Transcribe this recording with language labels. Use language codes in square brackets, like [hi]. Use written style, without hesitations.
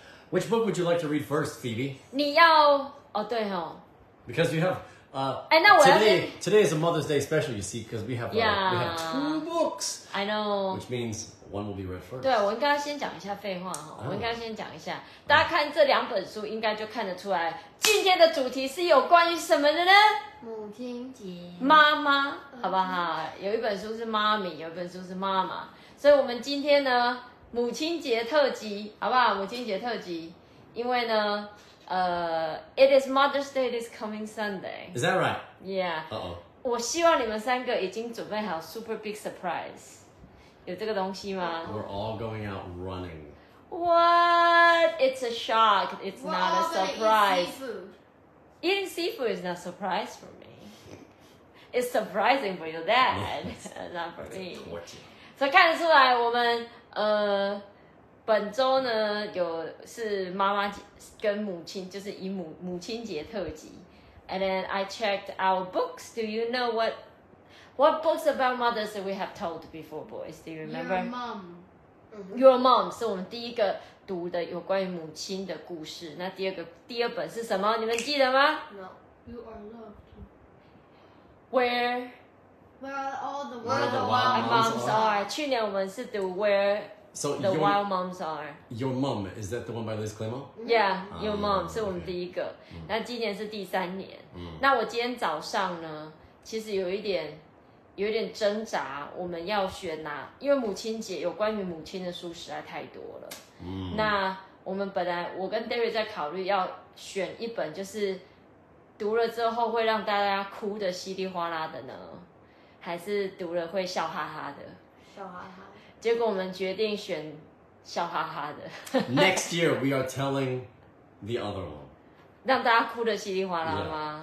[en] Which book would you like to read first, Phoebe? [zh] 你要哦对哦 [en] Because we have, no, today is a Mother's Day special, you see, because we have two books. I know. Which means one will be read first. [zh] 对，我应该先讲一下废话哦。我应该先讲一下，大家看这两本书，应该就看得出来，今天的主题是有关于什么的呢？母亲节，妈妈，好不好？有一本书是妈咪，有一本书是妈妈，所以我们今天呢，母亲节特辑，好不好？母亲节特辑，因为呢。 [en] It is Mother's Day this coming Sunday. Is that right? Yeah. Uh-oh. [zh] 我希望你们三个已经准备好 [en] super big surprise. [zh] 有这个东西吗？ [en] We're all going out running. What? It's a shock. It's not a surprise. Eating seafood is not a surprise for me. It's surprising for your dad. not for me. It's a torture. [zh] 所以看得出来我们本周呢有是妈妈跟母亲，就是以母亲节特辑。 [en] And then I checked our books. Do you know what books about mothers that we have told before, boys? Do you remember? Your mom. [zh] Your mom 是我们第一个读的有关于母亲的故事。那第二本是什么？你们记得吗 [en] ？No. You are loved. Where? Where all the wild moms are. [zh] 去年我们是读 Where. [en] So the wild moms are. Your mom, is that the one by Liz Claymore? Yeah, your mom, [zh] 是我们第一个。那今年是第三年。那我今天早上呢，其实有一点挣扎，我们要选哪，因为母亲节有关于母亲的书实在太多了。那我们本来，我跟 Derry 在考虑要选一本，就是读了之后会让大家哭的稀里哗啦的呢，还是读了会笑哈哈的？笑哈哈。结果我们决定选笑哈哈的。 [en] Next year we are telling the other one. [zh] 让大家哭得稀里哗啦吗